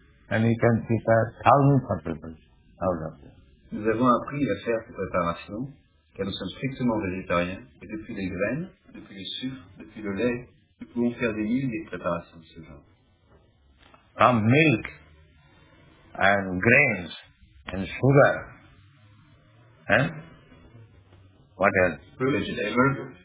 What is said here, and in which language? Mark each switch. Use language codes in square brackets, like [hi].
[en] And we can prepare thousands of people out of them. [fr] Nous avons appris à faire cette préparation, car nous sommes strictement végétariens, et depuis les graines, depuis le sucre, depuis le lait, nous pouvons faire des milliers de préparations de ce genre. [en] From milk, and grains, and sugar, and what else?